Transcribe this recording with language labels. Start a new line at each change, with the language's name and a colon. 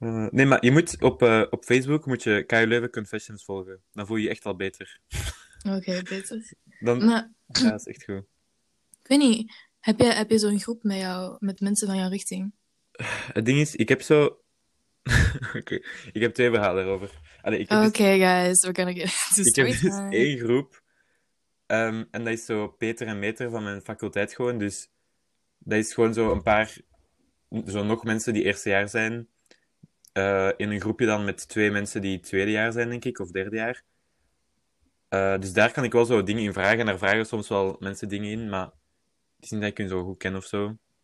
Dutch: Nee, maar je moet op Facebook moet je KU Leuven Confessions volgen. Dan voel je je echt al beter. Oké, beter. Dan, maar, ja, dat is echt goed. Ik weet niet, heb je zo'n groep met jou, met mensen van jouw richting? Het ding is, ik heb zo... Oké, ik heb twee verhalen erover.
English: Oké, guys, we're gonna get into story time.
Dutch: Ik heb dus één groep. En dat is zo Peter en Meter van mijn faculteit gewoon, dus dat is gewoon zo een paar, zo nog mensen die eerste jaar zijn, in een groepje dan met twee mensen die tweede jaar zijn, denk ik, of derde jaar. Dus daar kan ik wel zo dingen in vragen, en daar vragen soms wel mensen dingen in, maar het is niet dat ik hun zo goed ken of zo.